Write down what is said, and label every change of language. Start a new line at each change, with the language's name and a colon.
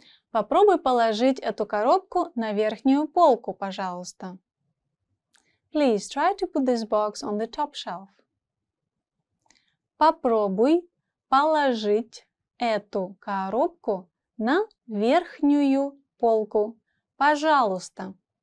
Russian: Попробуй положить эту коробку на верхнюю полку, пожалуйста.
English: Please try to put this box on the top shelf.
Russian: Попробуй положить эту коробку на верхнюю полку, пожалуйста.